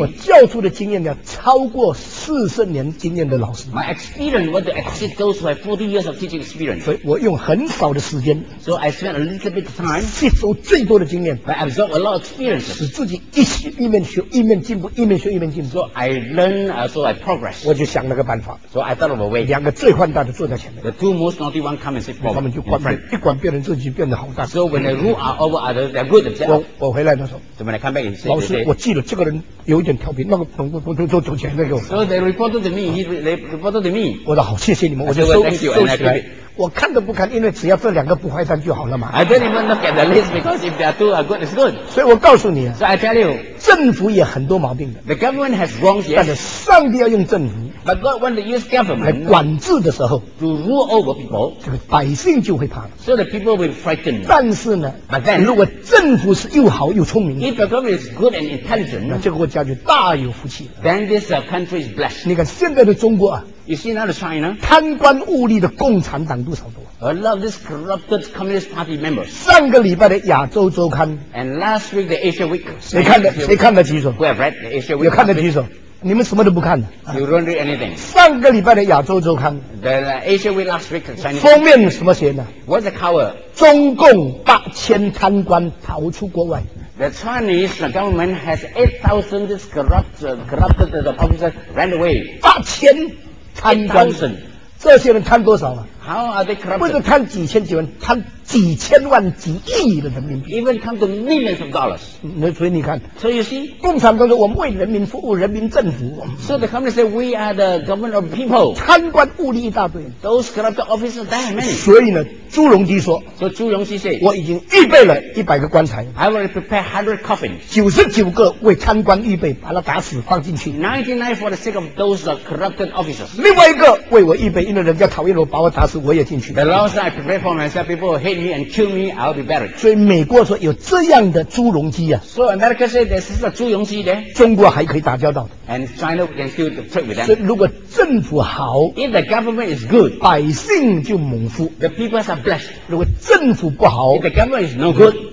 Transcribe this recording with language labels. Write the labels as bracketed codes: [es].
[zh] 我教书的经验要超过40年经验的老师。 [en] My experience would exceed those who have 40 years of teaching experience。 [zh] 所以我用很少的时间 [en] ，So I spent a little bit of time， [zh] 吸收最多的经验 [en] ，I absorb a lot of experience， [zh] 使自己一学一面学，一面进步，一面学一面进步。 [en] So I learn so I progress。 [zh] 我就想了个办法 [en] ，So I thought of a way。 [zh] 两个最坏蛋的坐在前面 [en] ，The two most naughty one come and sit for me。 [zh] 他们就管别人，一管别人，自己变得好大。 [en] So when they rule over others， they're good themselves。 [zh] 我回来的时候 [en] ，So when I come back and say， [zh] 老师，我记得这个人有一点调皮，那个走前面给我。 [en] So they reported to me， they reported to me。 [zh] 我说好，谢谢你们，我就收起来。我看都不看，因为只要这两个不坏蛋就好了嘛。 [en] I don't even look at the list because if there are two are good, it's good。 [zh] 所以我告诉你 [en] ，So I tell you， [zh] 政府也很多毛病的。 [en] The government has wrongs， yes。 [zh] 但是上帝要用政府 [en] ，But God wants to use government [zh] 来管制的时候 [en] ，to rule over people， [zh] 这个百姓就会怕了。 [en] So the people will frighten。 [zh] 但是呢 [en] ，But then， [zh] 如果政府是又好又聪明 [en] ，If the government is good and intelligent， [zh] 那这个国家就大有福气。 [en] Then this country is blessed。 [zh] 你看现在的中国啊。 [en] You see now the China [zh] 贪官污吏的共产党多少多 [en] ？A lot of these corrupted Communist Party members。 [zh] 上个礼拜的亚洲周刊 [en] ，And last week the Asia Week。 [zh] 谁看了几首 [en] ？We have read the Asia Week。 [zh] 有看了几首？你们什么都不看的 [en] ？You don't read anything。 [zh] 上个礼拜的亚洲周刊 [en] ，The Asia Week last week the Chinese。 [zh] 封面什么写的 [en] ？What's the cover？ [zh] 中共8000贪官逃出国外。 [en] The Chinese government has 8000 this corrupted the officers ran away。 [zh] 8000。 贪官，这些人贪多少啊 [en] ？How are they corrupt？ [zh] 不是贪几千几万，贪几千万、几亿的人民币。 [en] Even come to millions of dollars。 [zh] 那所以你看 [en] ，So you see， [zh] 共产党说我们为人民服务，人民政府。 [en] So the communists say we are the government of people。 [zh] 贪官污吏一大堆 [en] ，Those corrupt officers that many。 [zh] 所以呢，朱镕基说 [en] ，So 朱镕基 say， [zh] 我已经预备了100个棺材 [en] ，I will prepare 100 coffins。 [zh] 99个为贪官预备，把他打死放进去。 [en] 99 for the sake of those corrupted officers。 [zh] 另外一个为我预备，因为人家讨厌我，把我打死，我也进去。 [en] The last I prepare for myself, people hate。 Me and kill me, I'll be buried. [zh] 所以美国说有这样的朱镕基啊。 [en] So America said there's such a 朱镕基 there. [zh] 中国还可以打交道的。 [en] And China can still trade with them. [zh] 所以如果政府好 [en] ，If the government is good, [zh] 百姓就蒙福。 [en] The people are blessed. [zh] 如果政府不好 [en] ，If the government is no good,